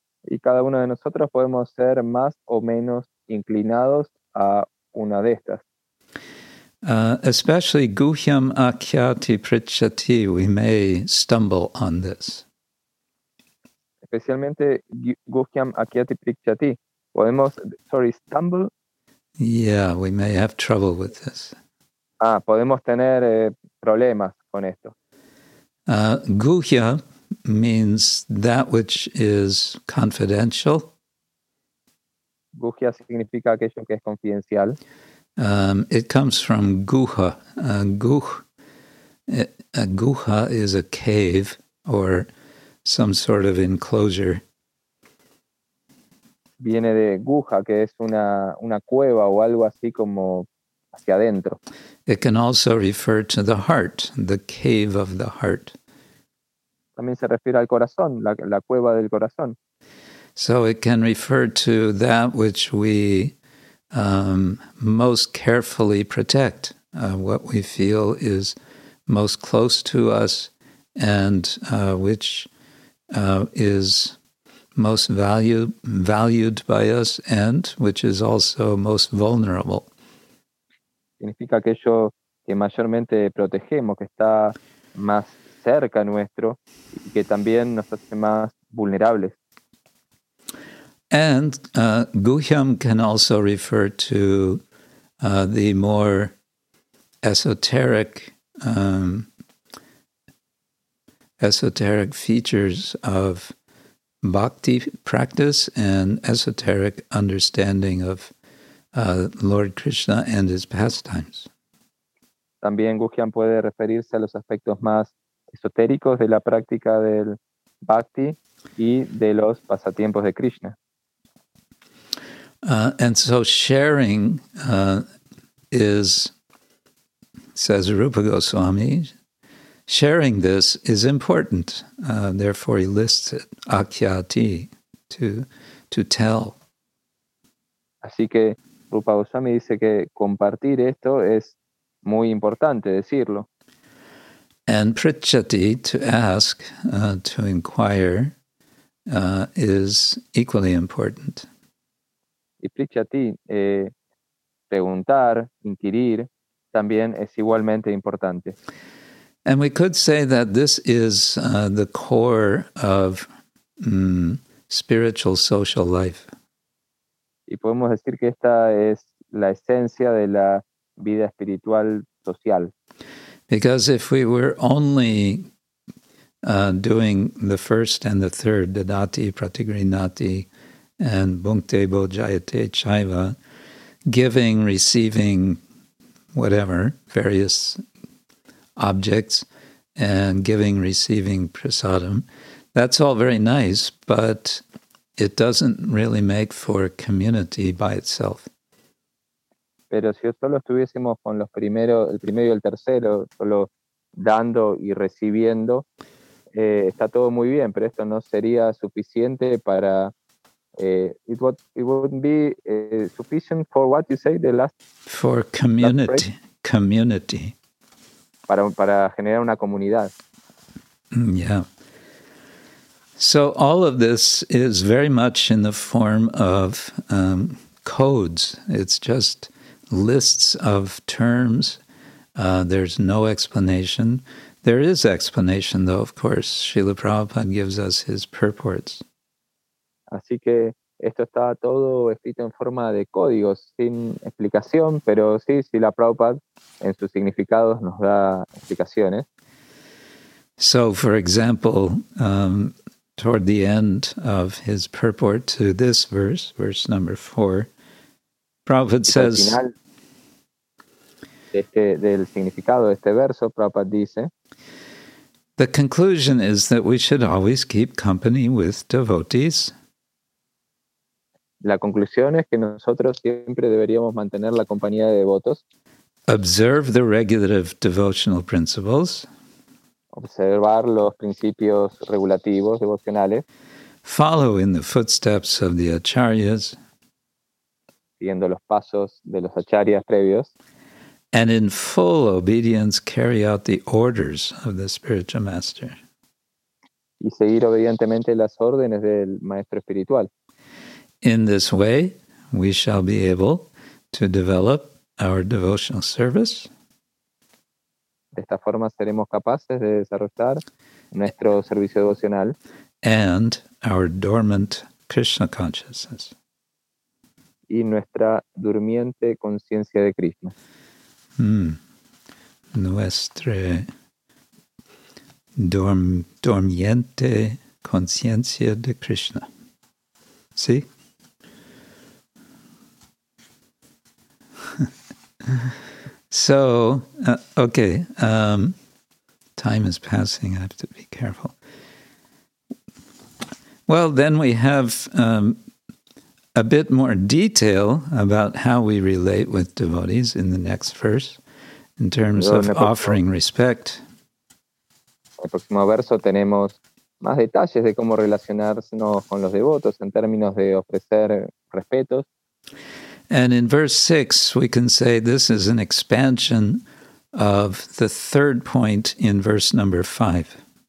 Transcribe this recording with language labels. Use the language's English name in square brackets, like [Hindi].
[Spanish] Y cada uno de nosotros podemos ser más o menos inclinados a una de estas. [English] Especially guhyam akhyati prichati, we may stumble on this. [Spanish] Especialmente guhyam akhyati prichati, stumble. [English] Yeah, we may have trouble with this. [Spanish] Ah, podemos tener problemas con esto. [English] Guhya means that which is confidential. [Spanish] Guhya significa aquello que es confidencial. [English] It comes from guha. A guha is a cave or some sort of enclosure. [Spanish] Viene de guha, que es una cueva o algo así como hacia adentro. [English] It can also refer to the heart, the cave of the heart. [Spanish] También se refiere al corazón, la cueva del corazón. [English] So it can refer to that which we most carefully protect, what we feel is most close to us and which is most valued by us and which is also most vulnerable. [Spanish] Significa aquello que mayormente protegemos, que está más cerca nuestro y que también nos hace más vulnerables. [English] And guhyam can also refer to the more esoteric features of bhakti practice and esoteric understanding of Lord Krishna and his pastimes. [Spanish] También guhyam puede referirse a los aspectos más esotéricos de la práctica del bhakti y de los pasatiempos de Krishna. [English] And so sharing is, says Rupa Goswami, sharing this is important. Therefore, he lists it, akhyati, to tell. [Spanish] Así que Rupa Goswami dice que compartir esto es muy importante decirlo. [English] And prichati, to ask, to inquire, is equally important. [Spanish] Y prichati, preguntar, inquirir, también es igualmente importante. [English] And we could say that this is the core of spiritual social life. [Spanish] Y podemos decir que esta es la esencia de la vida espiritual social. [English] Because if we were only doing the first and the third, dadati, pratigrinati, and bhunkte bhojayate chaiva, giving, receiving, whatever, various objects, and giving, receiving, prasadam. That's all very nice, but it doesn't really make for a community by itself. [Spanish] Pero si solo estuviésemos con los primeros, el primero y el tercero, solo dando y recibiendo, está todo muy bien, pero esto no sería suficiente para... [English] It wouldn't be sufficient for what you say, the last... For community. Last community. [Spanish] Para generar una comunidad. [English] Yeah. So all of this is very much in the form of codes. It's just lists of terms. There's no explanation. There is explanation, though, of course. Srila Prabhupada gives us his purports. [Spanish] Así que esto está todo escrito en forma de códigos, sin explicación, pero sí, Srila Prabhupada en sus significados nos da explicaciones. [English] So, for example, toward the end of his purport to this verse, verse number 4, Prabhupada says, [Spanish] del significado de este verso, Prabhupada dice, [English] the conclusion is that we should always keep company with devotees. [Spanish] La conclusión es que nosotros siempre deberíamos mantener la compañía de devotos. [English] Observe the regulative devotional principles. [Spanish] Observar los principios regulativos devocionales. [English] Follow in the footsteps of the acharyas. [Spanish] Siguiendo los pasos de los acharyas previos. [English] And in full obedience carry out the orders of the spiritual master. [Spanish] Y seguir obedientemente las órdenes del maestro espiritual. [English] In this way, we shall be able to develop our devotional service. [Spanish] De esta forma seremos capaces de desarrollar nuestro servicio devocional. [English] And our dormant Krishna consciousness. [Spanish] Y nuestra durmiente conciencia de Krishna. Nuestra dormiente conciencia de Krishna. ¿Sí? [English] So, okay, time is passing. I have to be careful. Well, then we have a bit more detail about how we relate with devotees in the next verse, in terms of offering respect. [Spanish] En el próximo verso tenemos más detalles de cómo relacionarnos con los devotos en términos de ofrecer respetos. [English] And in verse 6, we can say this is an expansion of the third point in verse number 5.